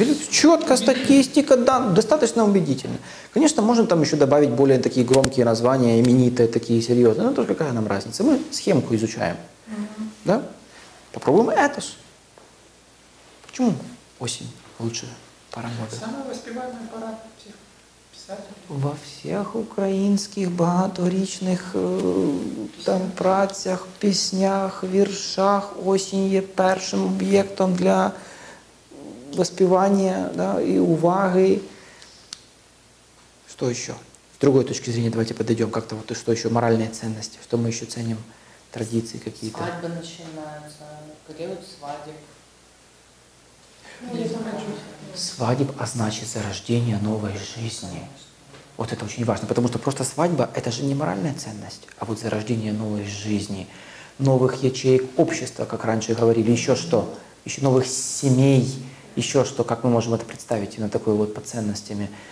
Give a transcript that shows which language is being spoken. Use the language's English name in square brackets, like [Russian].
[Russian] Четко, статистика, да, достаточно убедительно. Конечно, можно там еще добавить более такие громкие названия, именитые, такие серьезные. Но только какая нам разница? Мы схемку изучаем. Угу. Да? Попробуем этос. Почему осень лучшая пора года? Самая воспеваемая пора всех писателей. [Ukrainian] Во всех украинских багаторічних там працях, піснях, віршах осінь є першим об'єктом для воспівання, да, і уваги. Що ще? З другої точки зрення давайте підійдемо, як-то вот, що ще моральні цінності, що ми ще цінимо, традиції якісь. Свадьба починається, період свадеб. Свадеб означає зарождення нової житті. [Russian] Вот это очень важно, потому что просто свадьба – это же не моральная ценность, а вот зарождение новой жизни, новых ячеек общества, как раньше говорили, еще что, еще новых семей, еще что, как мы можем это представить, именно такой вот по ценностями.